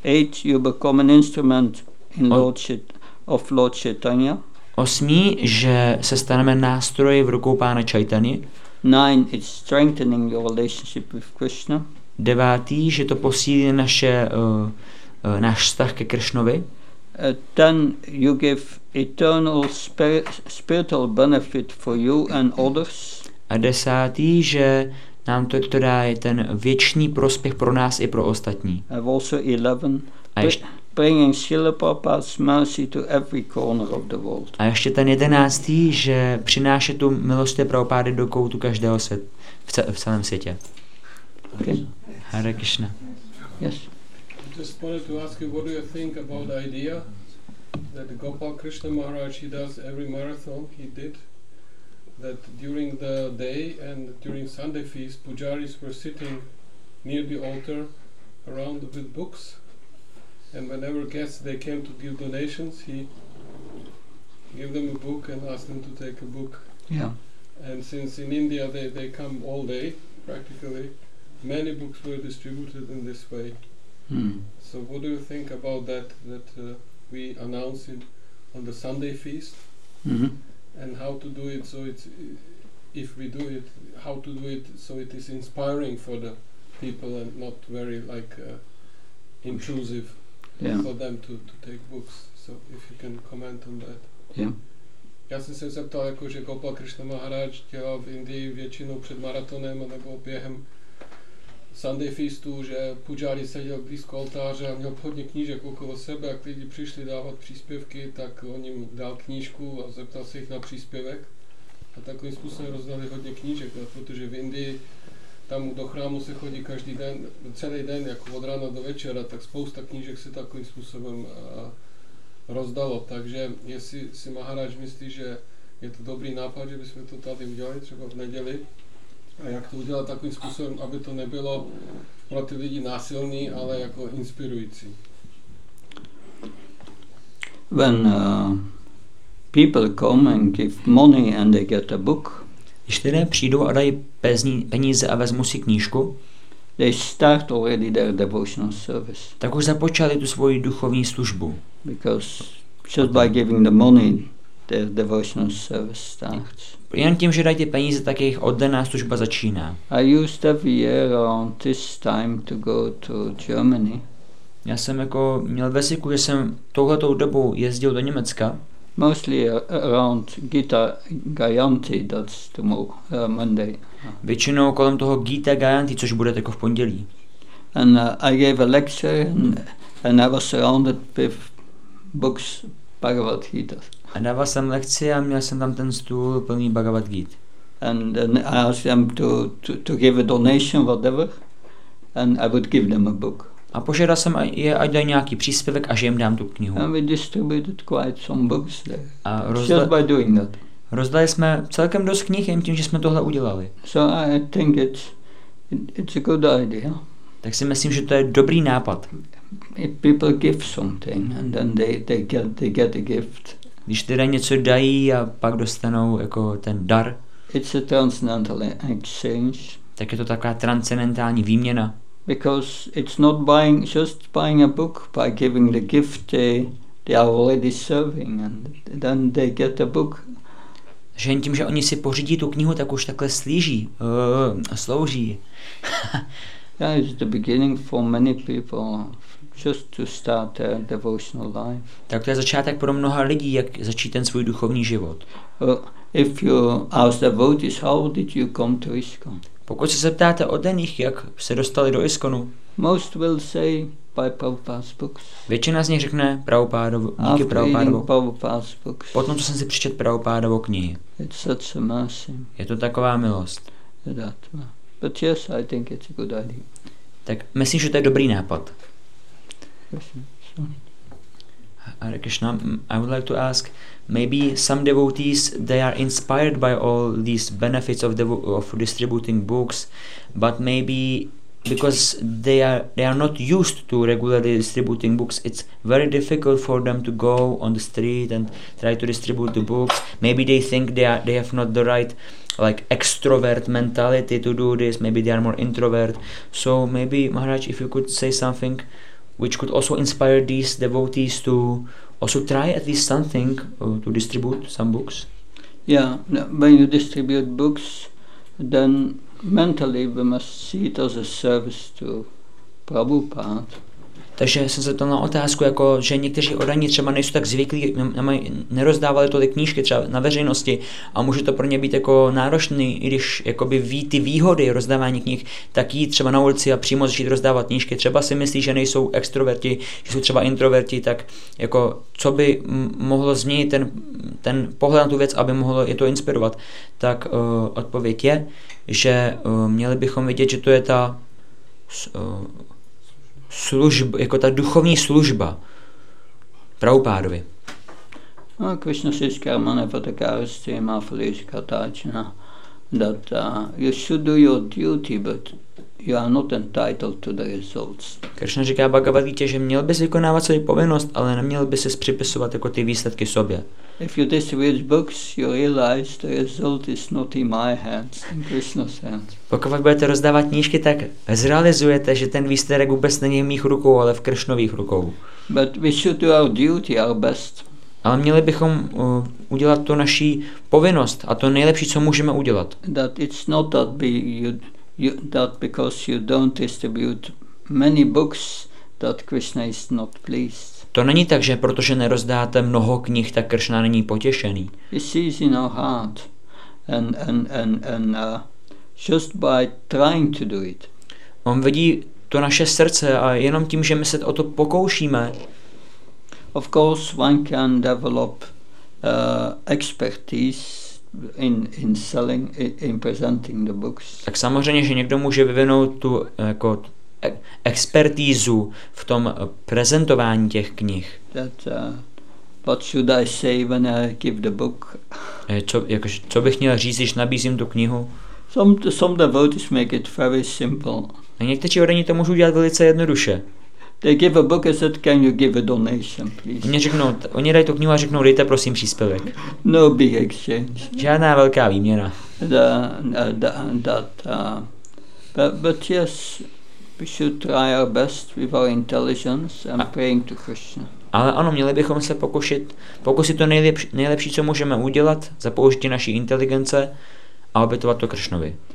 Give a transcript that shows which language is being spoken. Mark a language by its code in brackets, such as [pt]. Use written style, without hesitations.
[en] 8 you become an instrument in Lord Chaitanya. [cs] Osmý, že se staneme nástroji v rukou pána Chaitany. [en] 9 it's strengthening your relationship with Krishna. [cs] Devátý, že to posílí naše náš vztah ke Krishnovi. [en] 10 you give eternal spiritual benefit for you and others. [cs] A desátý, že nám to dá je ten věčný prospěch pro nás i pro ostatní. [en] I've also 11 [cs] a ještě, [en] bringing Srila Prabhupada's mercy to every corner of the world. [cs] A ještě ten jedenáctý, že přináší tu milost Prabhupády do koutu každého světa v celém světě. [en] Okay. Hare Krishna. Yes. I just wanted to ask you, what do you think about the idea that Gopal Krishna Maharaj, he does every marathon he did, that during the day and during Sunday feast, pujaris were sitting near the altar around with books, and whenever guests they came to give donations, he gave them a book and asked them to take a book. Yeah. And since in India they come all day, practically, many books were distributed in this way. Hmm. So what do you think about that, that we announce it on the Sunday feast? Mm-hmm. And how to do it so it's, if we do it, how to do it so it is inspiring for the people and not very like intrusive. Yeah. For them to take books. So if you can comment on that. Yeah. [cs] Já jsem se zeptal, jako, že Gopal Krishna Maharaj dělal v Indii většinou před maratonem nebo během Sunday feastu, že pujari seděl blízko oltáře a měl hodně knížek okolo sebe, a když lidi přišli dávat příspěvky, tak on jim dal knížku a zeptal se jich na příspěvek. A takovým způsobem rozdali hodně knížek, protože v Indii tam do chrámu se chodí každý den, celý den, jako od rána do večera, tak spousta knížek se takovým způsobem rozdalo. Takže jestli si Maharaj myslí, že je to dobrý nápad, že bychom to tady udělali třeba v neděli, a jak to udělat takovým způsobem, aby to nebylo pro ty lidi násilný, ale jako inspirující. [en] When people come and give money and they get a book, [cs] když lidé přijdou a dají peníze a vezmu si knížku, [en] they start already their devotional service. [cs] Tak už započali tu svoji duchovní službu. [en] Because just by giving the money, their devotional service starts. [cs] Jen tím, že dají ty peníze, tak jejich oddaná služba začíná. [en] I used every year around this time to go to Germany. [cs] Já jsem jako měl ve zvyku, že jsem touhletou dobu jezdil do Německa. [en] Mostly around Gita Gayanti, that's tomorrow, Monday. [cs] Většinou kolem toho Gita Gayanti, což bude jako v pondělí. [en] And I gave a lecture and I was surrounded with books Bhagavad Gita. [cs] A dával jsem lekci a měl jsem tam ten stůl plný Bhagavad Gita. [en] And I asked them to give a donation, whatever, and I would give them a book. [cs] A požádal jsem je, ať dají nějaký příspěvek a že jim dám tu knihu. [en] And we distributed quite some books there. [cs] A [en] just by doing that. [cs] Rozdali jsme celkem dost knih jen tím, že jsme tohle udělali. [en] So I think it's a good idea. [cs] Tak si myslím, že to je dobrý nápad. [en] If people give something and then they get a gift. [cs] Když teda něco dají a pak dostanou jako ten dar. [en] It's a transcendental exchange. [cs] Tak je to taková transcendentální výměna. [en] Because it's not buying, just buying a book, by giving the gift they are already serving, and then they get a book. [cs] Že jen tím, že oni si pořídí tu knihu, tak už takhle slíží, slouží. [en] Yeah, it's the beginning for many people, just to start their devotional life. [cs] Tak to je začátek pro mnoha lidí, jak začít ten svůj duchovní život. [en] If you ask the devotees, how did you come to ISKCON? [cs] Pokud se zeptáte o nich, jak se dostali do ISKCONu, [en] most will say by Prabhupada's books. [cs] Většina z nich řekne Prabhupádovo, díky Prabhupádovo. Potom, co jsem si přečet Prabhupádovo knihy. [en] It's such a mercy. [cs] Je to taková milost. [en] That. But yes, I think it's a good idea. [cs] Tak myslím, že to je dobrý nápad. [en] Hare Krishna, I would like to ask, maybe some devotees, they are inspired by all these benefits of distributing books, but maybe because they are not used to regularly distributing books, it's very difficult for them to go on the street and try to distribute the books. Maybe they think they have not the right, like, extrovert mentality to do this. Maybe they are more introvert. So maybe, Maharaj, if you could say something which could also inspire these devotees to also try at least something to distribute some books. Yeah, when you distribute books, then mentally we must see it as a service to Prabhupada. [cs] Takže jsem se ptal na otázku, jako, že někteří oddaní třeba nejsou tak zvyklí, nerozdávali tolik knížky třeba na veřejnosti a může to pro ně být jako náročný, i když jakoby ví ty výhody rozdávání knih, tak jít třeba na ulici a přímo začít rozdávat knížky. Třeba si myslí, že nejsou extroverti, že jsou třeba introverti, tak jako, co by mohlo změnit ten pohled na tu věc, aby mohlo je to inspirovat. Tak odpověď je, že měli bychom vidět, že to je ta služba, jako ta duchovní služba Prabhupádovi. [en] No, Krishna says [sa] karma nepatakarasti mafalishkatachina [en] that you should do your duty, but you are not entitled to the results. [cs] Krishna říká Bhagavad Gita, že měl bys vykonávat svou povinnost, ale neměl bys se připisovat jako ty výsledky sobě. [en] If you distribute books, you realize the result is not in my hands, in Krishna's hands. [cs] Pokud budete rozdávat knížky, tak zrealizujete, že ten výsledek vůbec není v mých rukou, ale v Krishnových rukou. [en] But we should do our duty, our best. [cs] Ale měli bychom udělat to naší povinnost a to nejlepší, co můžeme udělat. [en] That it's not that that because you don't distribute many books, that Krishna is not pleased. [cs] To není tak, že protože nerozdáte mnoho knih, tak Krishna není potěšený. [en] He sees in our heart and just by trying to do it. [cs] On vidí to naše srdce a jenom tím, že my se o to pokoušíme. [en] Of course one can develop expertise in selling, in presenting the books. [cs] Tak samozřejmě, že někdo může vyvinout tu jako expertízu v tom prezentování těch knih. [en] What should I say when I give the book? [cs] Co bych měl říct, když nabízím tu knihu? [en] Some devotees make it very simple. [cs] A někteří oddaní to můžou dělat velice jednoduše. [en] They give a book and said, can you give a donation, please? [cs] Oni dají tu knihu a řeknou, dejte prosím příspěvek. [en] No big exchange. [cs] Žádná velká výměna. [en] But yes, we should try our best with our intelligence and praying to Krishna. [cs] Ale ano, měli bychom se pokusit to nejlepší, co můžeme udělat, za použití naší inteligence a obětovat to Krishnovi.